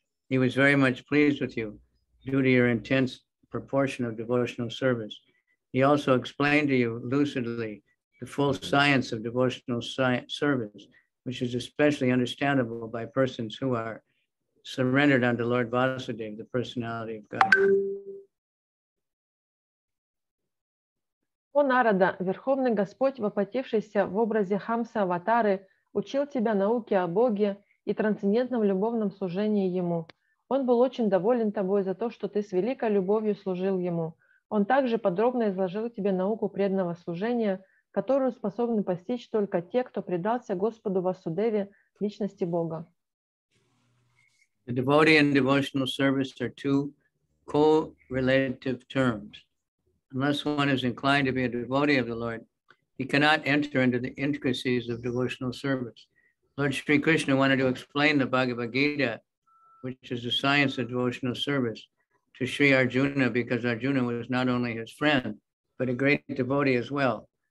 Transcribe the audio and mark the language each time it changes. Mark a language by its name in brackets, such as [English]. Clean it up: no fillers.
[English] He was very much pleased with you due to your intense proportion of devotional service. He also explained to you lucidly the full science of devotional service, which is especially understandable by persons who are surrendered unto Lord Vasudeva, the personality of God. [Russian] О, Нарада, Верховный Господь, воплотившийся в образе Хамса Аватары, учил тебя науке о Боге и трансцендентном любовном служении Ему. Он был очень доволен тобой за то, что ты с великой любовью служил Ему. Он также подробно изложил тебе науку преданного служения, которую способны постичь только те, кто предался Господу Васудеве, личности Бога. [English] The devotee and devotional service are two correlative terms. Unless one is inclined to be a devotee of the Lord, he cannot enter into the intricacies of devotional service. Lord Sri Krishna wanted to explain the Bhagavad Gita, which is the science of devotional service, to Sri Arjuna because Arjuna was not only his friend, but a great devotee as well.